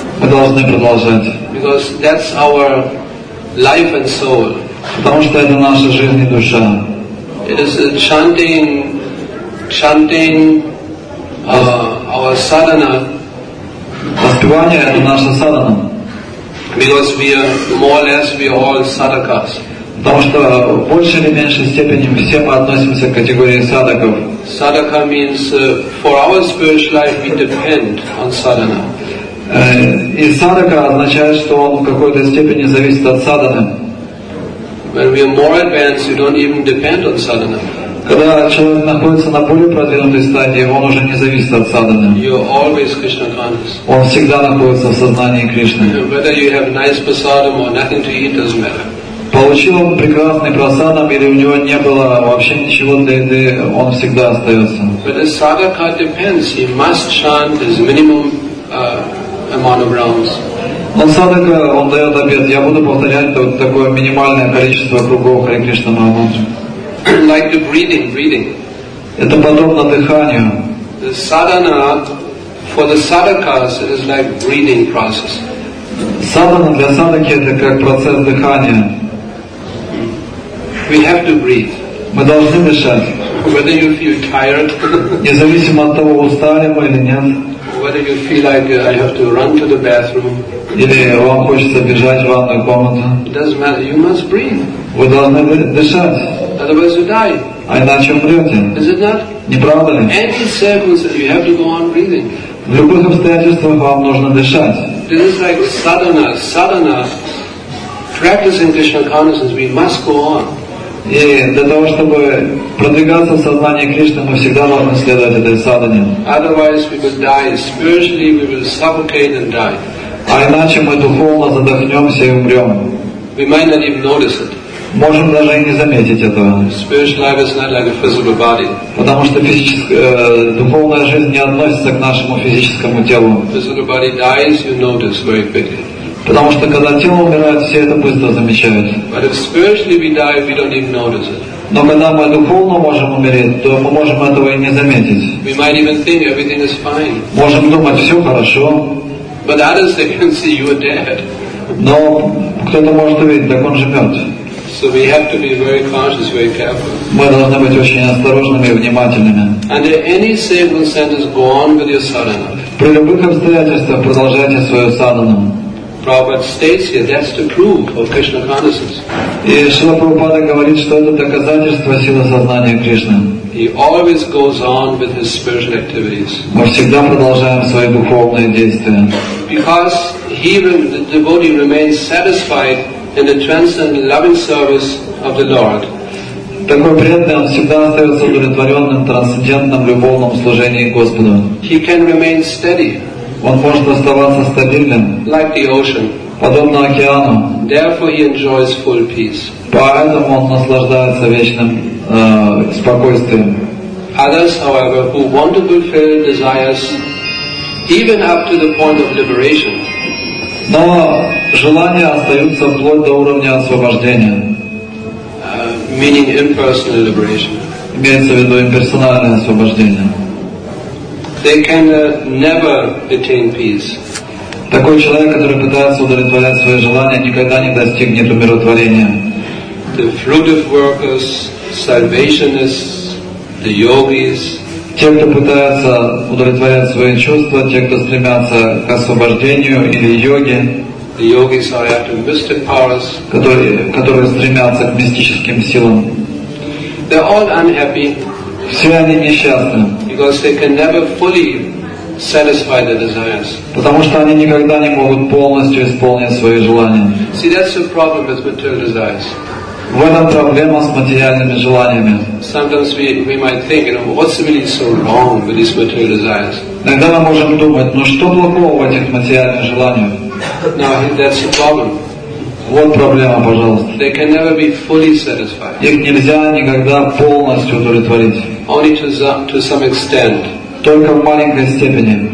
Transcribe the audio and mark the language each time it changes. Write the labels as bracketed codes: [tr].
[ru] Мы должны продолжать. [en] Because that's our life and soul. [ru] Потому что это наша жизнь и душа. [en] It is chanting chanting our sadhana, [ru] воспевание это наша садхана. [en] Because we are more or less we are all sadhakas. [ru] Потому что в большей или меньшей степени все мы относимся к категории садхаков. [en] Sadhaka means for our spiritual life we depend on sadhana. [ru] И садхака означает, что он в какой-то степени зависит от садханы. [en] When we are more advanced, we don't even depend on sadhana. [ru] Когда человек находится на более продвинутой стадии, он уже не зависит от садханы. [en] You are always Krishna conscious. [ru] Он всегда находится в сознании Кришны. [en] Whether you have nice prasadam or nothing to eat doesn't matter. [ru] Получил он прекрасный прасадам или у него не было вообще ничего для еды, он всегда остается. [en] But a sadhaka depends. He must chant his minimum amount of rounds. [ru] Но садхака, он дает обет, я буду повторять вот такое минимальное количество кругов Хари Кришна Махамантры. [en] Like the breathing, breathing. [ru] Это подобно дыханию. [en] The sadhana, for the sadhakas, is like breathing process. [ru] Садхана для садхаки это как процесс дыхания. [en] We have to breathe. [ru] Мы должны дышать. [en] Whether you feel tired. [ru] Независимо от того, устали мы или нет. [en] Whether you feel like I have to run to the bathroom. [ru] Или вам хочется бежать в ванную комнату. [en] It doesn't matter. You must breathe. [ru] Вы должны дышать. [en] Otherwise you die. [ru] А иначе умрете. [en] Is it not? [ru] Не правда ли? [en] Any circumstances you have to go on breathing. [ru] В любых обстоятельствах вам нужно дышать. [en] This is like sadhana, sadhana. Practicing Krishna consciousness, we must go on. [ru] И для того, чтобы продвигаться в сознании Кришны, мы всегда должны следовать этой садхане. [en] Otherwise we will die. Spiritually we will suffocate and die. [ru] А иначе мы духовно задохнемся и умрем. [en] We might not even notice it. [ru] Можем даже и не заметить этого. [en] Spiritual life is not like a physical body. [ru] Потому что духовная жизнь не относится к нашему физическому телу. [en] Physical body dies, you notice very quickly. [ru] Потому что когда тело умирает, все это быстро замечают. [en] But if spiritually we die, we don't even notice it. [ru] Но когда мы духовно можем умереть, то мы можем этого и не заметить. [en] We might even think everything is fine. [ru] Можем думать, все хорошо. [en] But others they can see you are dead. [ru] Но кто-то может увидеть, так он же мертв. [en] So we have to be very cautious, very careful. [ru] Мы должны быть очень осторожными и внимательными. [en] Under any circumstances, go on with your sadhana. [ru] При любых обстоятельствах продолжайте свою садхану. [en] Prabhupada states here, that's the proof of Krishna consciousness. [ru] И Шрила Прабхупада говорит, что это доказательство силы сознания Кришны. [en] He always goes on with his spiritual activities. [ru] Мы всегда продолжаем свои духовные действия. [en] Because the devotee remains satisfied in the transcendent loving service of the Lord. [ru] Такой преданный, он всегда остается удовлетворенным, трансцендентным, любовным служением Господу. [en] He can remain steady. [ru] Он может оставаться стабильным, [en] like the ocean. [ru] Подобно океану. [en] Therefore he enjoys full peace. [ru] Поэтому он наслаждается вечным спокойствием. [en] Others, however, who want to fulfill desires, even up to the point of liberation. [ru] Но желания остаются вплоть до уровня освобождения. [en] Meaning impersonal liberation. [ru] Имеется в виду имперсональное освобождение. [en] They can never attain peace. [ru] Такой человек, который пытается удовлетворять свои желания, никогда не достигнет умиротворения. [en] The fruitive workers, salvationists, the yogis. [ru] Те, кто пытается удовлетворять свои чувства, те, кто стремятся к освобождению или йоги. [en] The yogis are after mystic powers. [ru] Которые стремятся к мистическим силам. [en] They're all unhappy. [ru] Все они несчастны. [en] Because they can never fully satisfy their desires. [ru] Потому что они никогда не могут полностью исполнить свои желания. [en] See, that's the problem with material desires. [ru] В этом проблема с материальными желаниями. [en] Sometimes we might think, you know, what's really so wrong with these material desires? [ru] Иногда мы можем думать, ну что плохого в этих материальных желаниях? [en] No, that's the problem. [ru] Вот проблема, пожалуйста. [en] They can never be fully satisfied. [ru] Их нельзя никогда полностью удовлетворить. [en] Only to some extent. [ru] Только в маленькой степени.